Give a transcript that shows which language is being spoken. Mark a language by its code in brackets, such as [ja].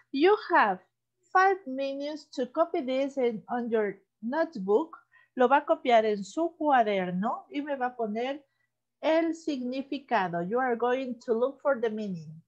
[en] You have 5 minutes to copy this on your notebook. [es] Lo va a copiar en su cuaderno y me va a poner el significado. [en] You are going to look for the meaning.